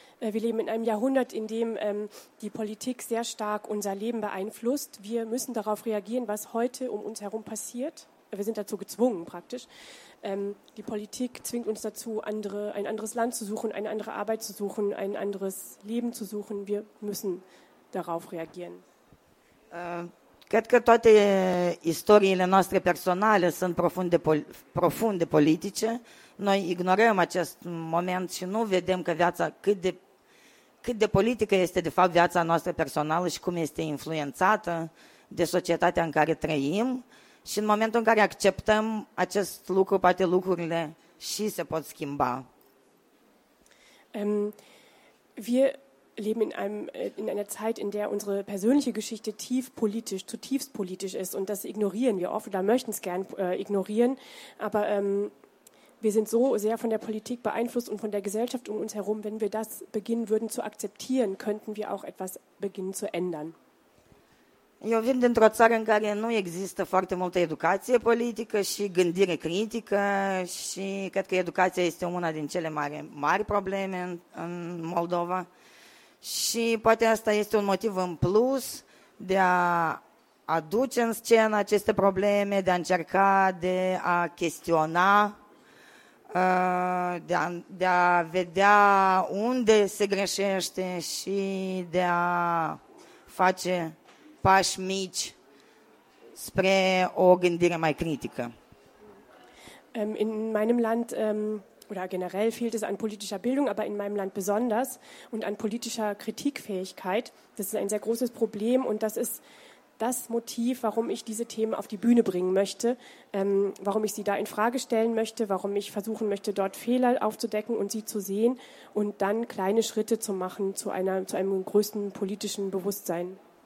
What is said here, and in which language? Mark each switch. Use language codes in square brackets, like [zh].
[de] Wir leben in einem Jahrhundert, in dem die Politik sehr stark unser Leben beeinflusst. Wir müssen darauf reagieren, was heute um uns herum passiert. Wir sind dazu gezwungen praktisch. Die Politik zwingt uns dazu, ein anderes Land zu suchen, eine andere Arbeit zu suchen, ein anderes Leben zu suchen. Wir müssen darauf reagieren. [ro] Cred că toate istoriile noastre personale sunt profunde politice. Noi ignorăm acest moment și nu vedem că viața cât de politică este de fapt viața noastră personală și cum este influențată de societatea în care trăim. Și în momentul în care acceptăm acest lucru, poate lucrurile și se pot schimba. [de] Wir leben in einer Zeit, in der unsere persönliche Geschichte tief politisch, zutiefst politisch ist. Und das ignorieren wir oft oder möchten es gern ignorieren. Aber wir sind so sehr von der Politik beeinflusst und von der Gesellschaft um uns herum. Wenn wir das beginnen würden zu akzeptieren, könnten wir auch etwas beginnen zu ändern. [ro] Eu vin dintr-o țară în care nu există foarte multă educație politică și gândire critică și cred că educația este una din cele mari probleme în Moldova și poate asta este un motiv în plus de a aduce în scenă aceste probleme, de a încerca de a chestiona, de a vedea unde se greșește și de a face pași mici spre o gândire mai critică. [de] In meinem Land oder generell fehlt es an politischer Bildung, aber in meinem Land besonders und an politischer Kritikfähigkeit. Das ist ein sehr großes Problem und das ist das Motiv, warum ich diese Themen auf die Bühne bringen möchte, warum ich sie da in Frage stellen möchte, warum ich versuchen möchte, dort Fehler aufzudecken und sie zu sehen und dann kleine Schritte zu machen zu einem größten politischen Bewusstsein.